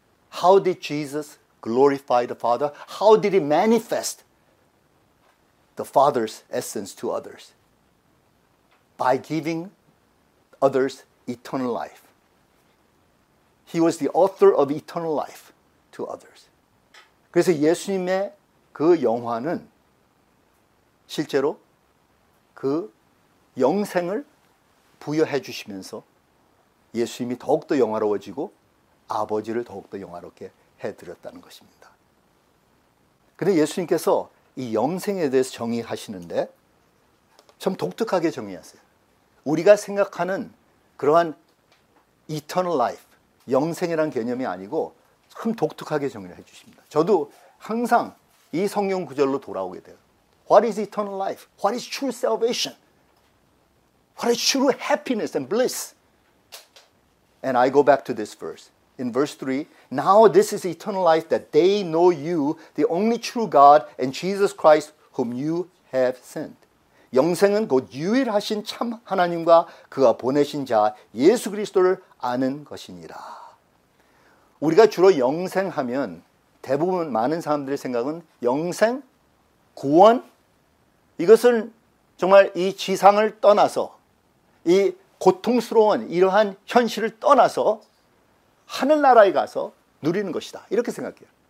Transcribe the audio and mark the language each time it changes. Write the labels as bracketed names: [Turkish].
[English] How did Jesus glorify the Father? How did he manifest the Father's essence to others? By giving others eternal life. He was the author of eternal life to others. [Korean] 그래서 예수님의 그 영화는 실제로 그 영생을 부여해 주시면서 예수님이 더욱더 영화로워지고 아버지를 더욱더 영화롭게 해드렸다는 것입니다. 근데 예수님께서 이 영생에 대해서 정의하시는데 참 독특하게 정의하세요. 우리가 생각하는 그러한 [English] eternal life, [Korean] 영생이란 개념이 아니고 참 독특하게 정의를 해주십니다. 저도 항상 이 성경 구절로 돌아오게 돼요. [English] What is eternal life? What is true salvation? What is true happiness and bliss? And I go back to this verse. In verse 3, now this is eternal life that they know you, the only true God and Jesus Christ whom you have sent. [Korean] 영생은 곧 유일하신 참 하나님과 그가 보내신 자 예수 그리스도를 아는 것이니라. 우리가 주로 영생하면 대부분 많은 사람들의 생각은 영생, 구원, 이것은 정말 이 지상을 떠나서 이 고통스러운 이러한 현실을 떠나서 하늘나라에 가서 누리는 것이다. 이렇게 생각해요.